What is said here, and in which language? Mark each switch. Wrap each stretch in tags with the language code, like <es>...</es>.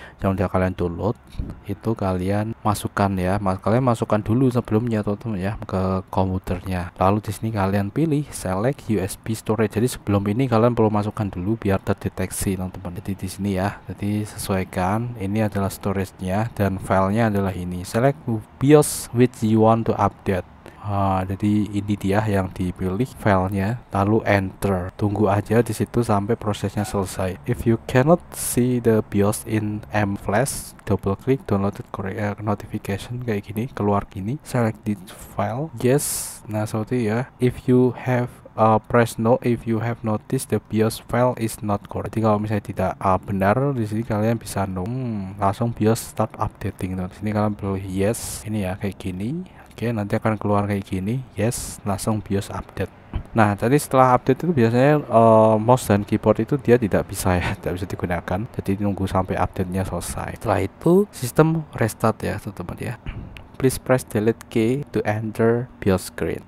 <id>Yang sudah kalian download itu kalian masukkan ya, kalian masukkan dulu sebelumnya teman-teman ya ke komputernya. Lalu di sini kalian pilih select USB storage. Jadi sebelum ini kalian perlu masukkan dulu biar terdeteksi teman-teman. Jadi di sini ya, jadi sesuaikan, ini adalah storage-nya dan filenya adalah ini.</id> <en>Select BIOS which you want to update.</en> <id>Jadi ini dia yang dipilih filenya, lalu enter. Tunggu aja di situ sampai prosesnya selesai.</id> <en>If you cannot see the BIOS in mFlash, double click downloaded notification</en> <id>kayak gini, keluar gini,</id> <en>select this file, yes.</en> <id>Nah, seperti ya,</id> <en>if you have press no if you have noticed the BIOS file is not correct.</en> <id>Jadi kalau misalnya tidak benar di sini, kalian bisa no, langsung BIOS start updating. Di sini kalian perlu yes, ini ya kayak gini. Oke, nanti akan keluar kayak gini, yes, langsung BIOS update. Nah, tadi setelah update itu biasanya mouse dan keyboard itu dia tidak bisa ya, tidak bisa digunakan. Jadi nunggu sampai update-nya selesai. Setelah itu sistem restart ya teman-teman ya.</id> <en>Please press delete key to enter BIOS screen.</en>